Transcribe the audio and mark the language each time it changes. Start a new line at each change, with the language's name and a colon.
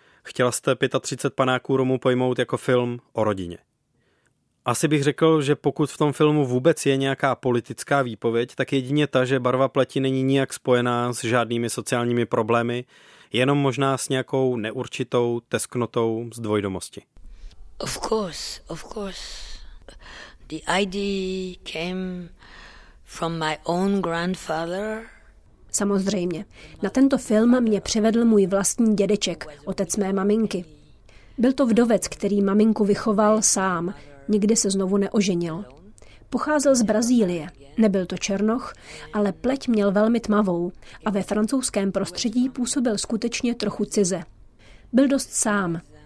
Czech: Chtěla jste 35 panáků rumu pojmout jako film o rodině. Asi bych řekl, že pokud v tom filmu vůbec je nějaká politická výpověď, tak jedině ta, že barva pleti není nijak spojená s žádnými sociálními problémy, jenom možná s nějakou neurčitou tesknotou z dvojdomosti.
English: Of course. The idea came from my own grandfather.
Czech: Samozřejmě. Na tento film mě přivedl můj vlastní dědeček, otec mé maminky. Byl to vdovec, který maminku vychoval sám. Nikdy se znovu neoženil. Pocházel z Brazílie, nebyl to černoch, ale pleť měl velmi tmavou a ve francouzském prostředí působil skutečně trochu cize. Byl dost sám.